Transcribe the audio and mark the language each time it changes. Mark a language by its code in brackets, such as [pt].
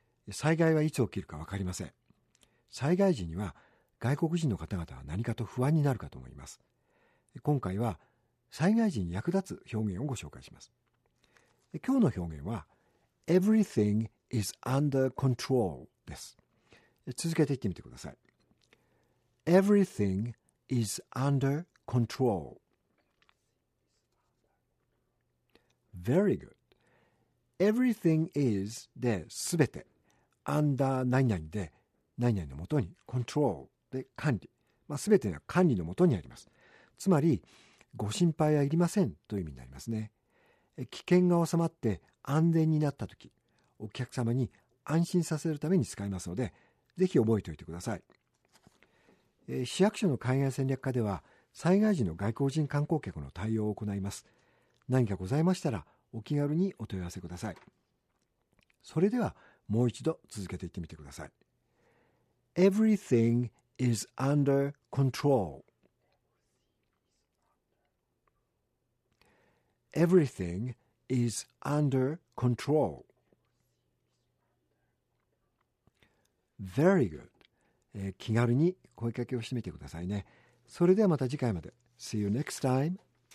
[ja] 災害はいつ起きるかわかりません。災害時には外国人の方々は何かと不安になるかと思います。今回は災害時に役立つ表現をご紹介します。今日の表現は [en] Everything is under control [ja] です。続けて言ってみてください。 [en] Everything is under control. Very good. Everything is [ja] で全て under 何々で何々のもとに control で管理、全ては管理のもとにあります。つまりご心配はいりませんという意味になりますね。危険が収まって安全になったとき、お客様に安心させるために使いますので、ぜひ覚えておいてください。市役所の海外戦略課では、災害時の外国人観光客の対応を行います。何かございましたら、お気軽にお問い合わせください。それでは、もう一度続けていってみてください。 [en] Everything is under control. Everything is under control. Very good. [ja] 気軽に声かけをしてみてくださいね。それではまた次回まで。 [en] See you next time.